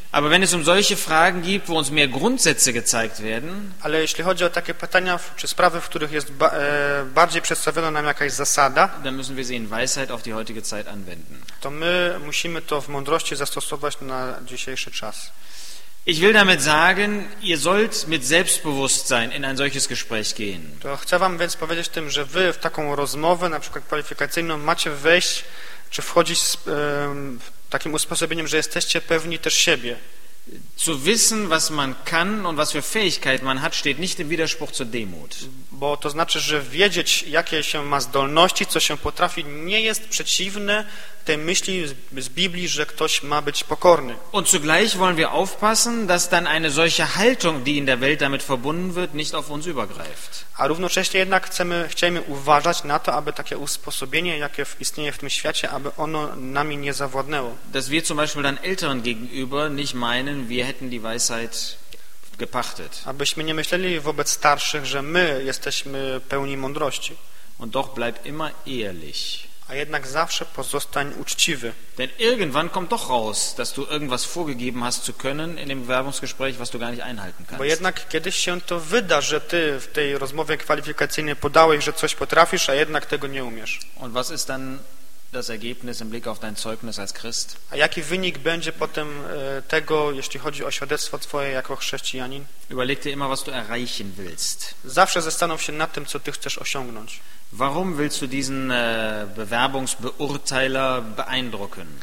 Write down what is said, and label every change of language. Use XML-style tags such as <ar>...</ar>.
<de>Aber wenn es um solche Fragen gibt, wo uns mehr Grundsätze gezeigt werden,</de> <pl>ale jeśli chodzi o takie pytania czy sprawy, w których jest bardziej przedstawiona nam jakaś zasada,</pl> <de>dann müssen wir sie in Weisheit auf die heutige Zeit anwenden.</de> <pl>To my musimy to w mądrości zastosować na dzisiejszy czas.</pl> <de>Ich will damit sagen, ihr sollt mit Selbstbewusstsein in ein solches Gespräch gehen.</de> <pl>To chcę wam więc powiedzieć tym, że wy w taką rozmowę, na przykład kwalifikacyjną, macie wejść czy wchodzić z takim usposobieniem, że jesteście pewni też siebie.</pl> <de>Zu wissen, was man kann und was für Fähigkeit man hat, steht nicht im Widerspruch zur Demut.</de> <pl>Bo to znaczy, że wiedzieć, jakie się ma zdolności, co się potrafi, nie jest przeciwne tej myśli z Biblii, że ktoś ma być pokorny.</pl> <de>Und zugleich wollen wir aufpassen, dass dann eine solche Haltung, die in der Welt damit verbunden wird, nicht auf uns übergreift.</de> <pl>A równocześnie jednak chcemy uważać na to, aby takie usposobienie, jakie istnieje w tym świecie, aby ono nami nie zawładnęło.</pl> <de>Dass wir zum Beispiel dann Älteren gegenüber nicht meinen, wir hätten die Weisheit gepachtet.</de> <pl>Abyśmy nie myśleli wobec starszych, że my jesteśmy pełni mądrości.</pl> <de>Und doch bleib immer ehrlich.</de> <pl>A jednak zawsze pozostań uczciwy.</pl> <de>Denn irgendwann kommt doch raus, dass du irgendwas vorgegeben hast zu können in dem Bewerbungsgespräch, was du gar nicht einhalten kannst.</de> <pl>Bo jednak kiedyś się to wyda, że ty w tej rozmowie kwalifikacyjnej podałeś, że coś potrafisz, a jednak tego nie umiesz.</pl> <de>Und was ist dann das Ergebnis im Blick auf dein Zeugnis als Christ?</de> <pl>A jaki wynik będzie potem tego, jeśli chodzi o świadectwo twoje jako chrześcijanin?</pl> <de>Überleg dir immer, was du erreichen willst.</de> <pl>Zawsze zastanów się nad tym, co ty chcesz osiągnąć.</pl> <de>Warum willst du diesen Bewerbungsbeurteiler beeindrucken?</de>